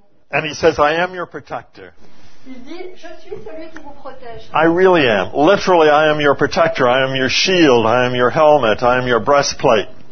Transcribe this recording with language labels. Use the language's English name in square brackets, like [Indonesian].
[English] And he says, "I am your protector." [French] Il dit, "Je suis celui qui vous protège." [English] I really am. Literally, I am your protector. I am your shield. I am your helmet. I am your breastplate.